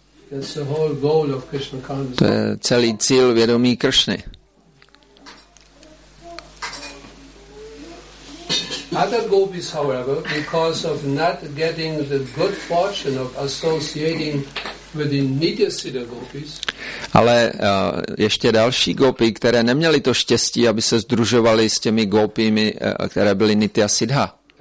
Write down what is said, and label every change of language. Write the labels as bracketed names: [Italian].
[English] That's the whole goal of Krishna consciousness. [Czech] To je celý cíl vědomí Kršny. [English] Other gopis, however, because of not getting the good fortune of associating with the Nitya Siddha gopis. [Czech] Ale ještě další gopi, které neměly to štěstí, aby se združovali s těmi gopimi, které byly Nitya Siddha.